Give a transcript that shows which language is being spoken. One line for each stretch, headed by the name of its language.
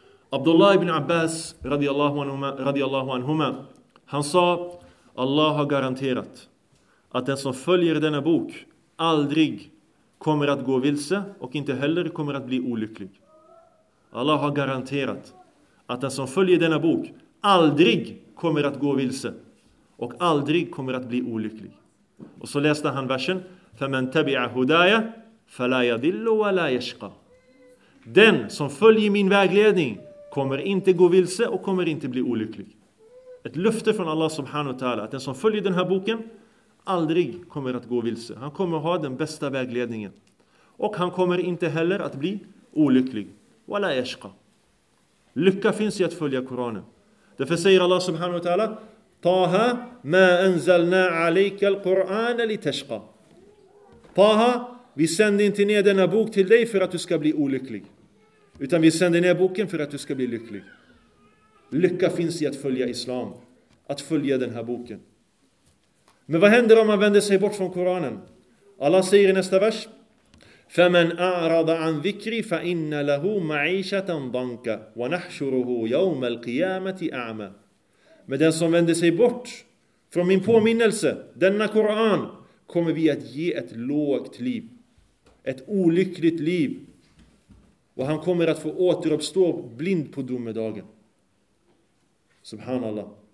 Swedish: Abdullah ibn Abbas radiyallahu anhuma, han sa: Allah har garanterat att den som följer denna bok aldrig kommer att gå vilse och inte heller kommer att bli olycklig. Allah har garanterat att den som följer denna bok aldrig kommer att gå vilse och aldrig kommer att bli olycklig. Och så läste han versen:
Arabic: فَمَنْ تَبِعَ هُدَايَ فَلَا يَدِلُّ وَلَا يَشْقَى.
Swedish: Den som följer min vägledning kommer inte gå vilse och kommer inte bli olycklig. Ett löfte från Allah subhanahu wa ta'ala att den som följer den här boken aldrig kommer att gå vilse. Han kommer ha den bästa vägledningen. Och han kommer inte heller att bli olycklig.
Arabic: وَلَا يَشْقَى.
Swedish: Lycka finns i att följa Koranen. Därför säger Allah subhanahu wa ta'ala:
Arabic: Taha, ma anzalna alayka al-Qur'an litashqa.
Swedish: Taha, vi sänder inte ner denna bok till dig för att du ska bli olycklig. Utan vi sänder ner boken för att du ska bli lycklig. Lycka finns i att följa islam. Att följa den här boken. Men vad händer om man vänder sig bort från Koranen? Allah säger i nästa vers:
Arabic: فَمَنْ أَعْرَضَ عَنْ ذِكْرِ فَإِنَّ لَهُ مَعِيشَةً ضَنْكَ وَنَحْشُرُهُ يَوْمَ الْقِيَامَةِ أَعْمَى.
Swedish: Men den som vänder sig bort från min påminnelse, denna Koran, kommer vi att ge ett lågt liv. Ett olyckligt liv. Och han kommer att få återuppstå blind på domedagen. Subhanallah.